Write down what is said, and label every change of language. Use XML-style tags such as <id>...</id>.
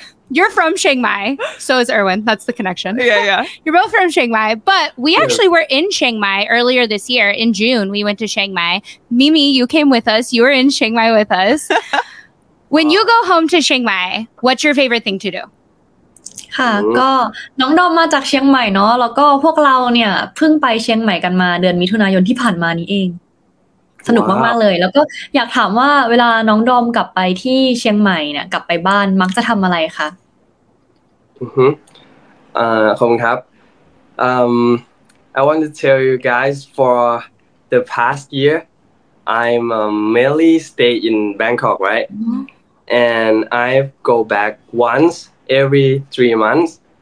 <en>You're from Chiang Mai. So is Erwin. That's the connection. Yeah. You're both from Chiang Mai. But we actually were in Chiang Mai earlier this year. In June, we went to Chiang Mai. Mimi, you came with us. You were in Chiang Mai with us. When you go home to Chiang Mai, what's your favorite thing to do?</en> <th>ค่ะก็น้องดอมมาจากเชียงใหม่เนาะแล้วก็พวกเราเนี่ยเพิ่งไปเชียงใหม่กันมาเดือนมิถุนายนที่ผ่านมานี้เองสนุกมากๆเลยแล้วก็อยากถามว่าเวลาน้องดอมกลับไปที่เชียงใหม่เนี่ยกลับไปบ้านมักจะทำอะไรคะ ขอบคุณครับ</th> <en>I want to tell you guys for the past year I'm mainly stay in Bangkok, right? Mm-hmm. And I go back once every 3 months.</en>